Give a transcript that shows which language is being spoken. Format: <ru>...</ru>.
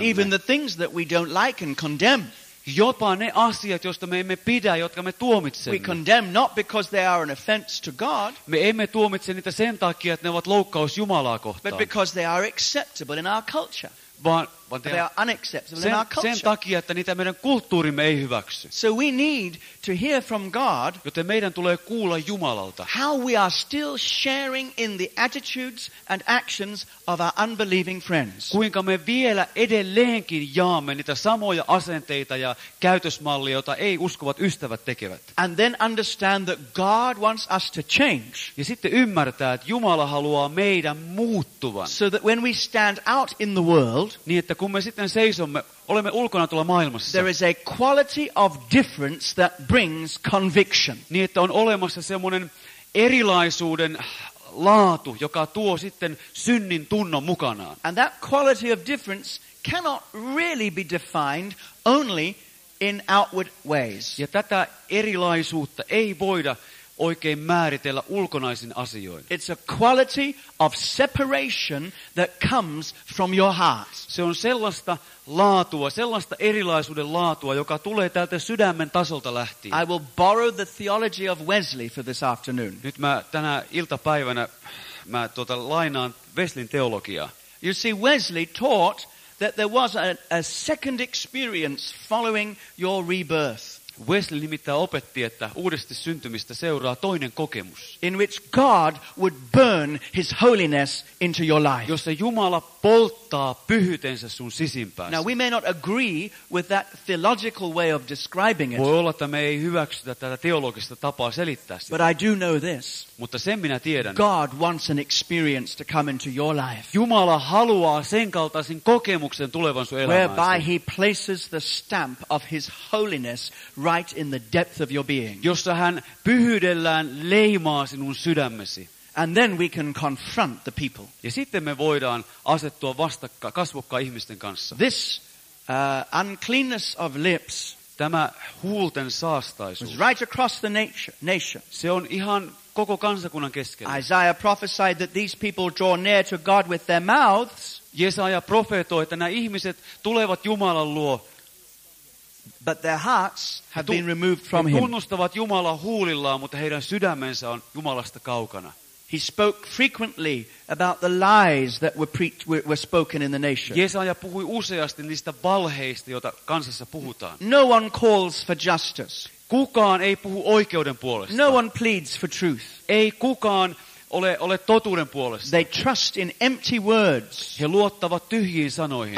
<en>And even the things that we don't like and condemn.</en> <fi>Jopa ne asiat, joista me emme pidä, jotka me tuomitsemme.</fi> <en>We condemn not because they are an offense to God.</en> <fi>Me emme tuomitse niitä sen takia, että ne ovat loukkaus Jumalaa kohtaan.</fi> <en>But because they are acceptable in our culture.</en> <fi>Vaan</fi> <en>they are unacceptable in our culture.</en> <fi>Sen takia, että niitä meidän kulttuurimme ei hyväksy.</fi> <en>So we need to hear from God.</en> <fi>Joten meidän tulee kuulla Jumalalta.</fi> <en>How we are still sharing in the attitudes and actions of our unbelieving friends.</en> <fi>Kuinka me vielä edelleenkin jaamme niitä samoja asenteita ja käytösmallia, joita ei uskovat ystävät tekevät.</fi> <en>And then understand that God wants us to change.</en> <fi>Ja sitten ymmärtää, että Jumala haluaa meidän muuttuvan.</fi> <en>So that when we stand out in the world,</en> <fi>niin että kun me sitten seisomme, olemme ulkona tuolla maailmassa.</fi> <en>There is a quality of difference that brings conviction.</en> <fi>Niin että on olemassa semmoinen erilaisuuden laatu, joka tuo sitten synnin tunnon mukanaan.</fi> <en>And that quality of difference cannot really be defined only in outward ways.</en> <fi>Ja tätä erilaisuutta ei voida oikein määritellä ulkonaisin asioin.</fi> <en>It's a quality of separation that comes from your heart.</en> <fi>Se on sellaista laatua, sellaista erilaisuuden laatua, joka tulee täältä sydämen tasolta lähtien.</fi> <en>I will borrow the theology of Wesley for this afternoon.</en> <fi>Nyt mä tänä iltapäivänä mä lainaan Wesleyn teologiaa.</fi> <en>You see, Wesley taught that there was a second experience following your rebirth.</en> <fi>Wesley nimittäin opetti, että uudesti syntymistä seuraa toinen kokemus.</fi> <en>In which God would burn his holiness into your life.</en> <fi>Jossa Jumala polttaa pyhyytensä sun sisimpääsi.</fi> <en>Now we may not agree with that theological way of describing it.</en> <fi>Voi olla, että me ei hyväksytä tätä teologista tapaa selittää sitä.</fi> <en>But I do know this.</en> <fi>Mutta sen minä tiedän.</fi> <en>God wants an experience to come into your life.</en> <fi>Jumala haluaa sen kaltaisen kokemuksen tulevan sun elämääsi.</fi> <en>Whereby he places the stamp of his holiness right in the depth of your being.</en> <fi>Jossa hän pyhyydellään leimaa sinun sydämesi.</fi> <en>And then we can confront the people.</en> <fi>Ja sitten me voidaan asettua vastakkain kasvokkain ihmisten kanssa.</fi> <en>This uncleanness of lips.</en> <fi>Tämä huulten saastaisuus.</fi> <en>Was right across the nation.</en> <fi>Se on ihan koko kansakunnan keskellä.</fi> <en>Isaiah prophesied that these people draw near to God with their mouths.</en> <fi>Jesaja profetoi, että nämä ihmiset tulevat Jumalan luo.</fi> <en>But their hearts have been removed from him.</en> <fi>He tunnustavat Jumala huulillaan, mutta heidän sydämensä on Jumalasta kaukana.</fi> <en>He spoke frequently about the lies that were spoken in the nation.</en> <fi>Jesaja puhui useasti niistä valheista, joita kansassa puhutaan.</fi> <en>No one calls for justice.</en> <fi>Kukaan ei puhu oikeuden puolesta.</fi> <en>No one pleads for truth.</en> <fi>Ei kukaan ole totuuden puolesta.</fi> <en>They trust in empty words.</en> <fi>He luottavat tyhjiin sanoihin.</fi>